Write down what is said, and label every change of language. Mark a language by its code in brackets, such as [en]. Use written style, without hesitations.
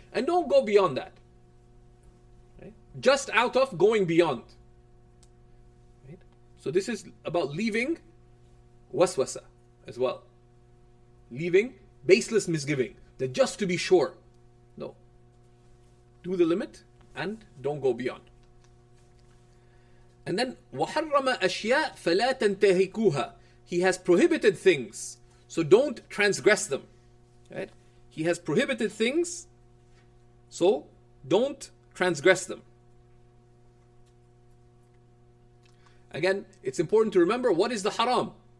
[en] And don't go beyond that. Right? Just out of going beyond. Right? So this is about leaving waswasa as well. Leaving baseless misgiving. That just to be sure. No. Do the limit and don't go beyond. And then, [ar] وَحَرَّمَ أَشْيَاءَ فَلَا تَنْتَهِكُوهَا. [en] He has prohibited things, so don't transgress them. Right? He has prohibited things, so don't transgress them. Again, it's important to remember, what is the haram?